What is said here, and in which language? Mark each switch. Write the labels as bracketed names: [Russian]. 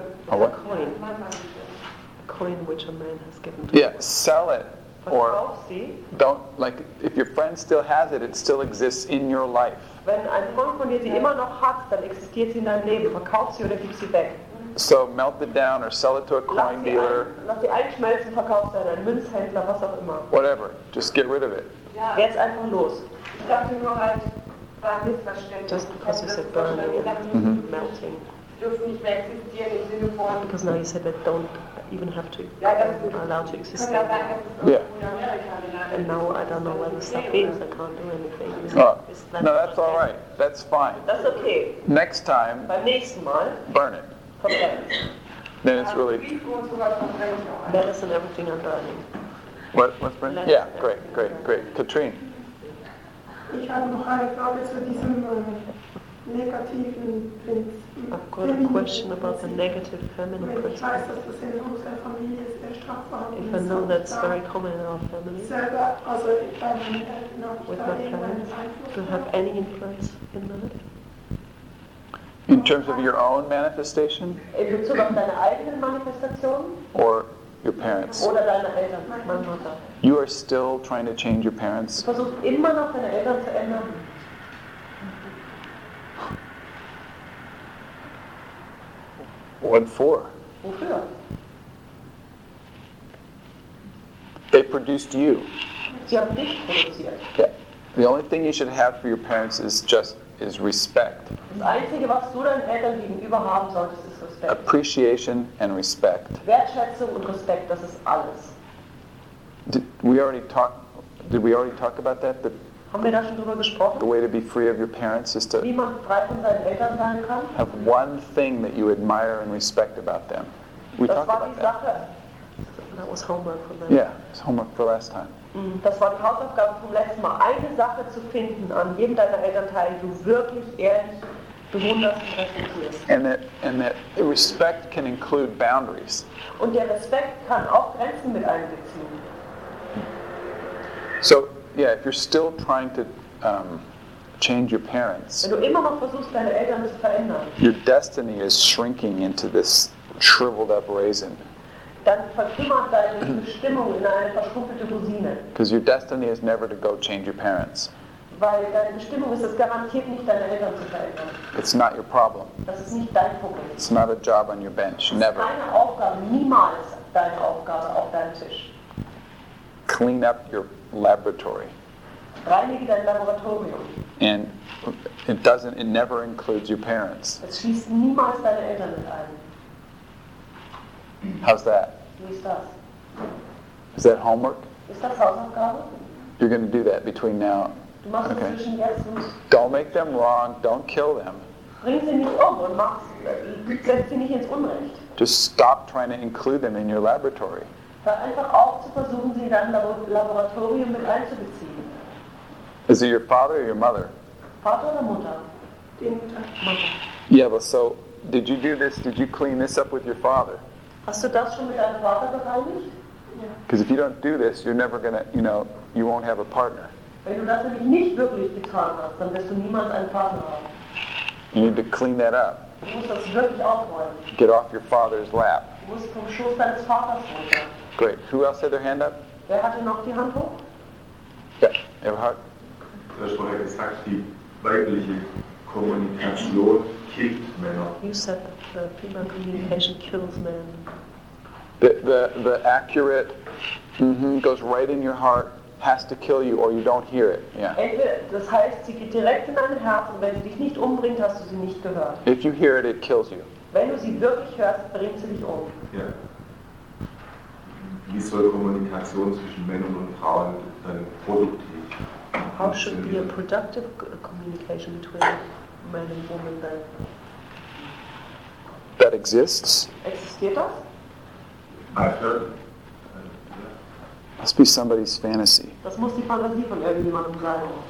[English] A coin. A coin which a man has given to me. Yeah, sell it. Or don't, like, if your friend still has it, it still exists in your life. [German] Wenn ein Freund von dir sie immer noch hat, dann existiert sie in deinem Leben. Verkauf sie oder gib sie weg. [English] So melt it down or sell it to a coin dealer. [German] Lass sie einschmelzen, verkauf sie an einen Münzhändler, was auch immer. [English] Whatever, just get rid of it. [German] Ja, jetzt einfach los. Ich dachte nur halt, war missverständlich. [English] Just because you said burning, melting. [German] Dürfen nicht mehr existieren im Sinne von... [English] Because now you said that don't even have to, allow to exist. Yeah. And now I don't know where the stuff is, I can't do anything. No, that's all right, that's fine. That's okay. Next time, [German] beim nächsten Mal, [English] burn it. Then it's really... Medicine and everything I'm burning. What's burning? Yeah, great. Katrine. [German] Ich habe noch eine Frage zu diesem negativen Prinzip. [English] I've got a question about the negative feminine principle. [German] Ich weiß, dass das in unserer Familie sehr stark vorhanden ist. [English] If I know that's very common in our family. [German] Selber, also ich kann meine Eltern auch [English] with my parents, to have any influence in that. In terms of your own manifestation? [German] In Bezug auf deine eigenen Manifestationen? [English] Or your parents? [German] Oder deine Eltern, meine Mutter. [English] You are still trying to change your parents? [German] Du versuchst immer noch deine Eltern zu ändern. [English] What for? [German] Wofür? [English] They produced you. [German] Sie haben dich produziert. [English] Yeah. The only thing you should have for your parents is just is respect. [German] Das Einzige, was du deinen Eltern gegenüber haben solltest, ist Respekt. [English] Appreciation and respect. [German] Wertschätzung und Respekt, das ist alles. [English] Did we already talk about that? [German] Haben wir da schon drüber gesprochen? [English] The way to be free of your parents is to, [German] wie man frei von seinen Eltern sein kann? [English] Have one thing that you admire and respect about them. We [German] das [English] talked [German] war die [English] about [German] Sache. [English] That. That was homework for them. Yeah, it's homework for last time. [German] Das war die Hausaufgabe vom letzten Mal. Eine Sache zu finden an jedem deiner Elternteile, die du wirklich ehrlich bewunderst und respektierst. [English] And that respect can include boundaries. [German] Und der Respekt kann auch Grenzen mit einbeziehen. [English] So, yeah, if you're still trying to change your parents, [German] wenn du immer noch versuchst, deine Eltern zu verändern, [English] your destiny is shrinking into this shriveled up raisin. [German] Dann verkümmert deine Bestimmung in eine verschrumpelte Rosine. [English] Because your destiny is never to go change your parents. [German] Weil deine Bestimmung ist es garantiert nicht, deine Eltern zu verändern. [English] It's not your problem. [German] Das ist nicht dein Problem. [English] It's not a job on your bench. Never. [German] Keine Aufgabe, niemals deine Aufgabe auf deinem Tisch. [English] Clean up your laboratory. [German] Reinige dein Laboratorium. [English] And it never includes your parents. [German] Es schließt niemals deine Eltern mit ein. [English] How's that? [German] Wie ist das? [English] Is that homework? [German] Ist das Hausaufgabe? [English] You're going to do that between now. [German] Du machst okay. Zwischen jetzt und [English] don't make them wrong. Don't kill them. [German] Bring sie nicht um und setz sie nicht ins Unrecht. [English] Just stop trying to include them in your laboratory. [German] Hör einfach auf zu versuchen, sie in dein Laboratorium mit einzubeziehen. [English] Is it your father or your mother? [German] Vater oder Mutter? Die Mutter. [English] Yeah, well, so did you do this? Did you clean this up with your father? [German] Hast du das schon mit deinem Vater bereinigt? [English] Because if you don't do this, you're never gonna, you know, you won't have a partner. [German] Wenn du das nämlich nicht wirklich getan hast, dann wirst du niemals einen Partner haben. [English] You need to clean that up. [German] Du musst das wirklich aufräumen. [English] Get off your father's lap. [German] Du musst vom Schoß deines Vaters runter. [English] Great. Who else had their hand up? [German] Wer hatte noch die Hand hoch? Ja, Everhard. Du hast vorher gesagt, die weibliche Kommunikation killt Männer. [English] You said that. The female communication kills men. The accurate goes right in your heart, has to kill you, or you don't hear it. Yeah. [German] Das heißt, sie geht direkt in dein Herz, und wenn sie dich nicht umbringt, hast du sie nicht gehört. [English] If you hear it, it kills you. [German] Wenn du sie wirklich hörst, bringt sie dich um. [English] Yeah. [German] Wie soll Kommunikation zwischen Männern und Frauen dann produktiv? [English] How should be a productive communication between men and women then? That exists. [German] Existiert das? [English] I've heard. Must be somebody's fantasy. [German] Das muss die Fantasie von irgendjemandem sein.